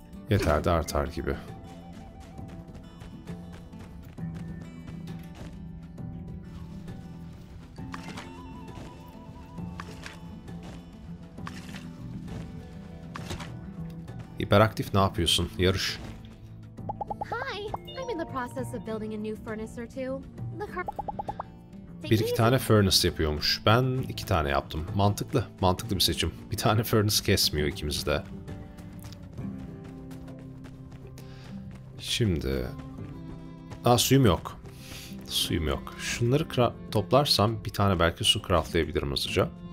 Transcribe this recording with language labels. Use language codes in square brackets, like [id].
[tr] Yeter de artar gibi. Hiperaktif, ne yapıyorsun? Yarış. [en] Hi, I'm in the process of building a new furnace or two. [tr] Bir iki tane furnace yapıyormuş. Ben iki tane yaptım. Mantıklı, mantıklı bir seçim. Bir tane furnace kesmiyor ikimiz de. Şimdi... Aa, suyum yok. Suyum yok. Şunları toplarsam bir tane belki su craftlayabilirim hızlıca.